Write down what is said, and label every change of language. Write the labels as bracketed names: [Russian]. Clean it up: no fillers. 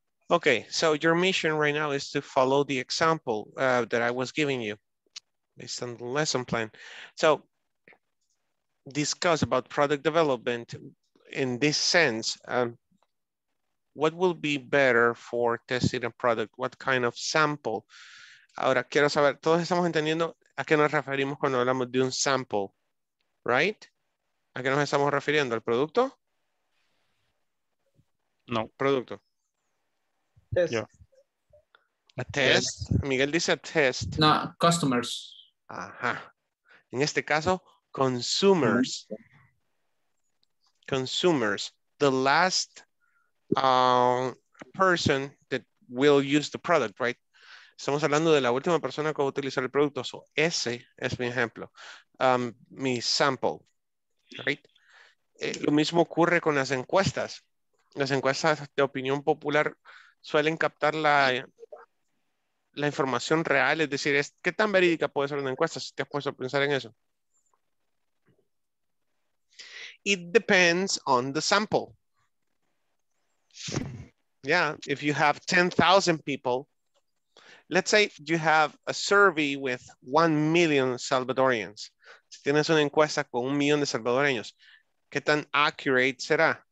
[English] Okay, so your mission right now is to follow the example that I was giving you based on the lesson plan. So discuss about product development in this sense. What will be better for testing a product? What kind of sample? [Spanish] Ahora quiero saber, todos estamos entendiendo a qué nos referimos cuando hablamos de un sample, [English] right? [Spanish] ¿A qué nos estamos refiriendo? ¿Al producto? No. Producto. [English] Test. Yeah. A test. Yes. [Spanish] Miguel dice [English] a test. No, customers. [Spanish] Ajá. En este caso, [English] consumers. Consumers. The last person that will use the product, right? [Spanish] Estamos hablando de la última persona que va a utilizar el producto. [English] So, [Spanish] ese es mi ejemplo. Mi sample, [English] right? [Spanish] Lo mismo ocurre con las encuestas. Las encuestas de opinión popular suelen captar la información real, es decir, ¿qué tan verídica puede ser una encuesta si te has puesto a pensar en eso? [English] It depends on the sample. Yeah, if you have 10,000 people, let's say you have a survey with 1 million Salvadorians. [Spanish] Si tienes una encuesta con 1 millón de salvadoreños, ¿qué tan accurate será?